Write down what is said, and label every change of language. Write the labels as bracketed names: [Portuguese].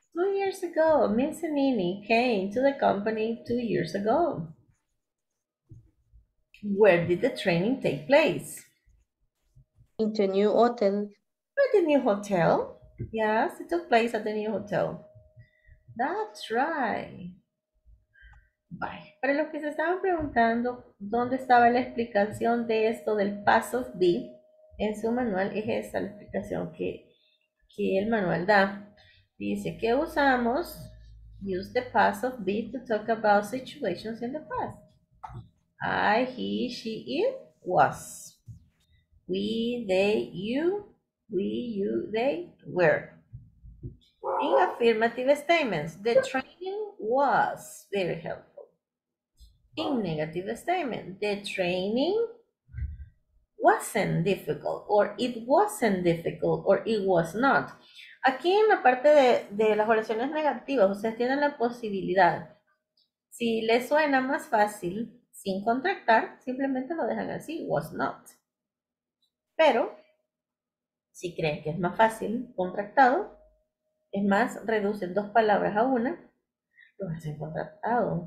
[English] 2 years ago, Miss Anini came to the company 2 years ago. Where did the training take place? In the new hotel. At the new hotel? Yes, it took place at the new hotel. That's right. Bye. [Spanish] Para los que se estaban preguntando dónde estaba la explicación de esto del paso B, en su manual es esta la explicación que el manual da. Dice que usamos, [English] use the past of be to talk about situations in the past. I, he, she, it, was. We, they, you, we, you, they, were. In affirmative statements, the training was very helpful. In negative statement, the training wasn't difficult, or it wasn't difficult, or it was not. [Spanish] Aquí en la parte de las oraciones negativas, ustedes tienen la posibilidad. Si les suena más fácil, sin contractar, simplemente lo dejan así, was not. Pero, si creen que es más fácil, contractado, es más, reducen dos palabras a una, lo hacen contractado.